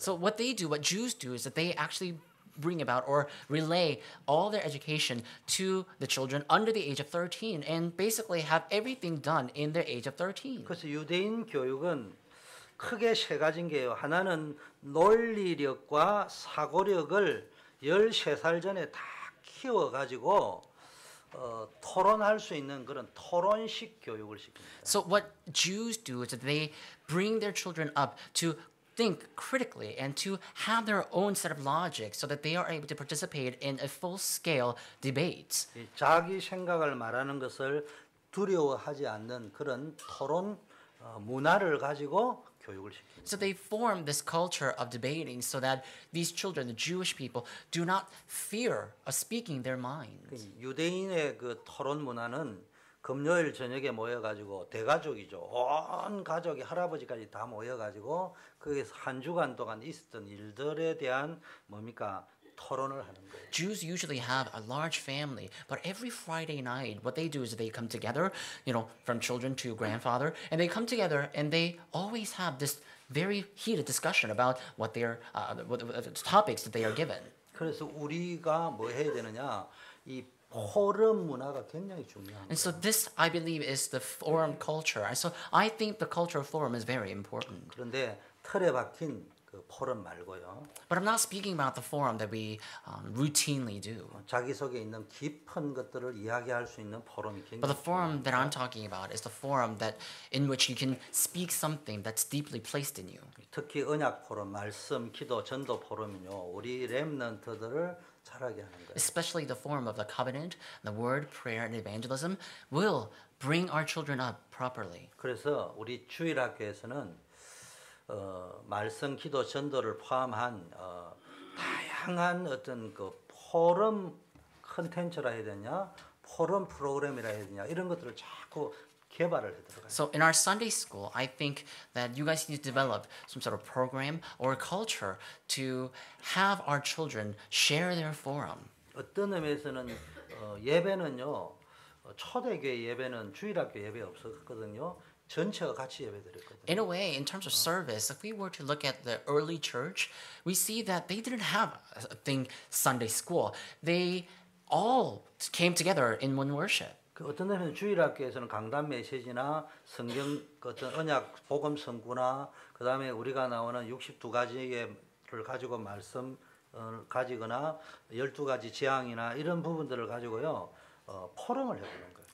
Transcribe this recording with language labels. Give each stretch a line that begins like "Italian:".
English: So what they do, what Jews do, is that they actually bring about or relay all their education to the children under the age of 13 and basically have everything done in their age of 13.
Korean: 그래서 유대인 교육은 크게 세 가지인 게요. 하나는 논리력과 사고력을 13살 전에 다 키워 가지고 토론할 수 있는 그런 토론식 교육을 시킵니다.
English: So what Jews do is that they bring their children up to think critically and to have their own set of logic so that they are able to participate in a full-scale debate.
Korean: 자기 생각을 말하는 것을 두려워하지 않는 그런 토론 문화를 가지고 교육을 시키는.
English: So they form this culture of debating so that these children, the Jewish people, do not fear of speaking their minds.
Korean: 유대인의 그 토론 문화는 금요일 저녁에 모여가지고 대가족이죠. 온 가족이 할아버지까지 다 모여가지고 거기서 한 주간 동안 있었던 일들에 대한 뭡니까 토론을 하는 거예요.
English: Jews usually have a large family, but every Friday night, what they do is they come together, you know, from children to grandfather, and they come together and they always have this very heated discussion about what their the topics that they are given.
Korean: 그래서 우리가 뭐 해야 되느냐 이 포럼 문화가 굉장히 중요합니다.
English: And so this, I believe, is the forum culture. So I think the culture of forum is very important.
Korean: 그런데 틀에 박힌 그 포럼 말고요.
English: But I'm not speaking about the forum that we routinely do.
Korean: 자기 속에 있는 깊은 것들을 이야기할 수 있는 포럼이 굉장히.
English: But the forum that I'm talking about is the forum that in which you can speak something that's deeply placed in you.
Korean: 특히 언약 포럼, 말씀, 기도, 전도 포럼은요. 우리 렘넌트들을
English: Especially the form of the covenant, the word, prayer, and evangelism will bring our children up properly.
Korean: 그래서 우리 주일 학교에서는 말씀, 기도, 전도를 포함한 다양한 어떤 그 포럼 컨텐츠라 해야 되냐, 포럼 프로그램이라 해야 되냐 이런 것들을 자꾸 개발을 해 들어가요.
English: So in our Sunday school, I think that you guys need to develop some sort of program or culture to have our children share their forum.
Korean: 어떤 의미에서는 예배는요. 초대교회 예배는 주일학교 예배 없었거든요. 전체가 같이 예배드렸거든요.
English: In a way, in terms of service, if we were to look at the early church, we see that they didn't have a thing Sunday school. They all came together in one worship.
Korean: 어떤 데는 주일학교에서는 강단 메시지나 성경 어떤 언약 복음 성구나 그 다음에 우리가 나오는 62가지를 가지고 말씀을 가지거나 12가지 재앙이나 이런 부분들을 가지고요 포럼을 해보는 거예요.